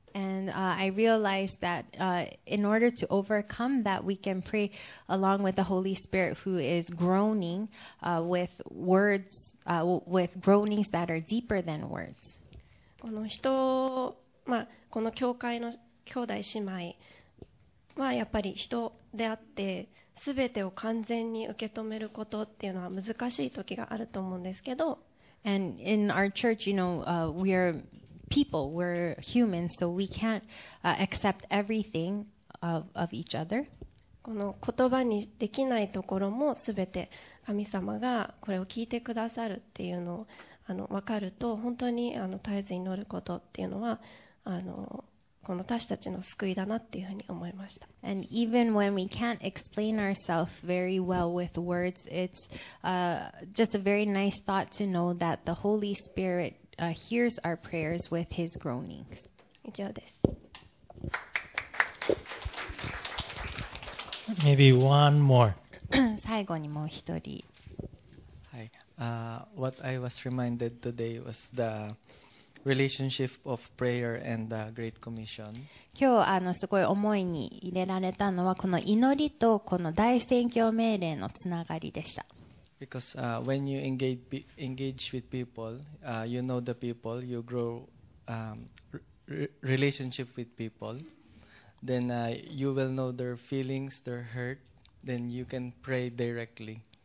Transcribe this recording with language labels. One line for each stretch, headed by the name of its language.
English: And I realized that in order to overcome that, we can pray along with the Holy Spirit who is groaning with words, with groanings that are deeper than words.
Japanese: この人、この教会の兄弟姉妹はやっぱり人であって、すべてを完全に受け止めることっていうのは難しい時があると思うんですけど。
English: And in our church, you know, we are people, we're human, so we can't accept everything of each other.
Japanese: この言葉にできないところもすべて神様がこれを聞いてくださるっていうのを分かると本当に絶えず祈ることっていうのはこの私たちの救いだなっていうふうに思いました。
English: And even when we can't explain ourselves very well with words, it's just a very nice thought to know that the Holy Spirit hears our prayers with His groanings.
Japanese: 以上です。
English: Maybe one more.
Japanese: 最後にもう一人。はい。
English: What I was reminded today was the relationship of prayer and the Great Commission.
Japanese: 今日すごい思いに入れられたのはこの祈りとこの大宣教命令のつながりでした。
English: Because when you engage with people, you know the people, you grow relationship with people, then you will know their feelings, their hurt, then you can pray directly.